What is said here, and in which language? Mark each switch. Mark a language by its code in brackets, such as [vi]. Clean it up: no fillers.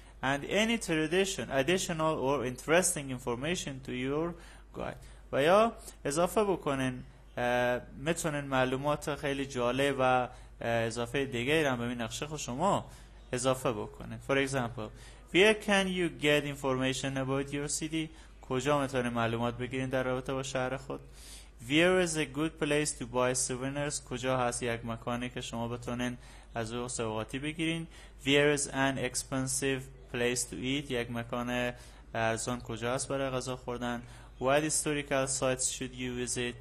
[en] And any tradition, additional or interesting information to your guide. [fa] و یا اضافه بکنن میتونن معلومات خیلی جالب و اضافه دیگه ایران به این نقشه خود شما اضافه بکنن. [en] For example, where can you get information about your city? [fa] کجا میتونن معلومات بگیرین در رابطه با شهر خود؟ [en] Where is a good place to buy souvenirs? [fa] کجا هست یک مکانی که شما بتونین از او سوغاتی بگیرین؟ [en] Where is an expensive place to eat? [fa] یک مکان ارزان کجا هست برای غذا خوردن؟ [en] What historical sites should you visit?